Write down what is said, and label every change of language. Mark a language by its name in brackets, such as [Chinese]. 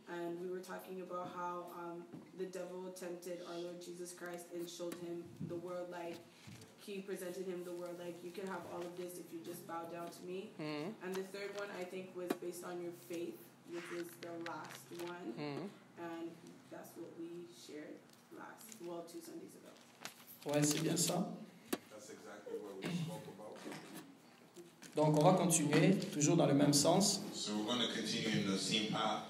[English] And we were talking about how the devil tempted our Lord Jesus Christ and showed him the world, like, he presented him the world, like, you can have all of this if you just bow down to me. Mm-hmm. And the third one, I think, was based on your faith, which is the last one. Mm-hmm. And that's what we shared two Sundays ago. [French] Ouais, c'est bien ça. [English] That's exactly what we spoke about. [French] Donc, on va continuer, toujours dans le même sens. [English] So we're going to continue in the same path.